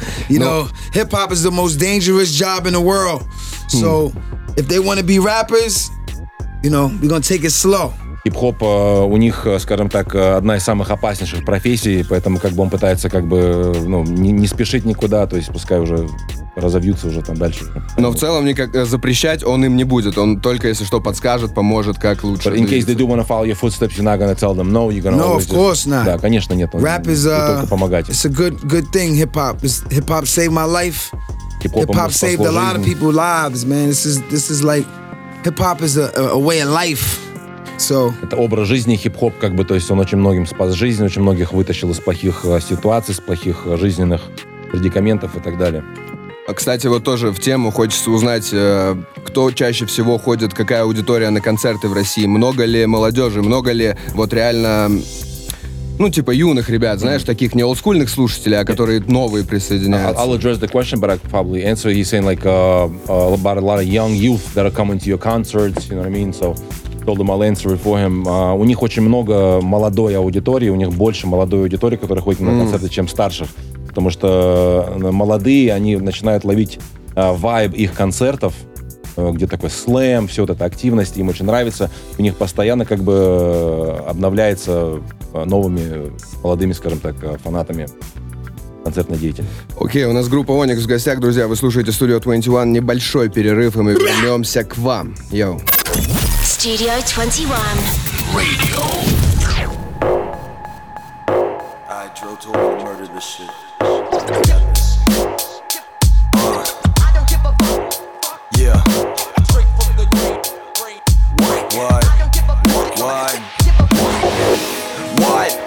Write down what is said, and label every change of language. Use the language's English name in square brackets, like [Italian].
[English] You know, hip-hop is the most dangerous job in the world. So, if they want to be rappers, you know, we're gonna take it slow. [Russian] Хип-хоп у них, скажем так, одна из самых опаснейших профессий, поэтому как бы он пытается как бы, ну, не спешить никуда, то есть пускай уже разовьются уже там дальше. Но в целом никак запрещать он им не будет, он только если что подскажет, поможет, как лучше. [English] But in case they do want to follow your footsteps, you're not going to tell them no, you're going to always... No, of course not. [Russian] Да, конечно, нет, он [English] rap is, [Russian] только помогать. [English] It's a good thing, hip-hop. Hip-hop saved my life. Hip-hop saved a lot of people's lives, man. This is like, hip-hop is a way of life. [Russian] Это образ жизни, хип-хоп, как бы, то есть он очень многим спас жизнь, очень многих вытащил из плохих ситуаций, из плохих жизненных предикаментов и так далее. А, кстати, вот тоже в тему хочется узнать, кто чаще всего ходит, какая аудитория на концерты в России, много ли молодежи, много ли вот реально, ну, типа юных ребят, знаешь, таких не олдскульных слушателей, а которые новые присоединяются. [English] I'll address the question, but I could probably answer. He's saying like about a lot of young youth that are coming to your concerts, you know what I mean, so... Told him I'll answer for him. [Russian] У них очень много молодой аудитории, у них больше молодой аудитории, которая ходит на концерты, чем старших. Потому что молодые, они начинают ловить вайб их концертов, где такой слэм, все вот это активность, им очень нравится. У них постоянно как бы обновляется новыми молодыми, скажем так, фанатами. Концертной деятельности. Окей, у нас группа Onyx в гостях, друзья. Вы слушаете Studio 21. Небольшой перерыв, и мы вернемся к вам. Йоу. Studio 21. [English] Radio. I drove to all murder this shit. I don't give a fuck. Yeah. Straight from the green. Why? I don't give a fuck. Why? Why?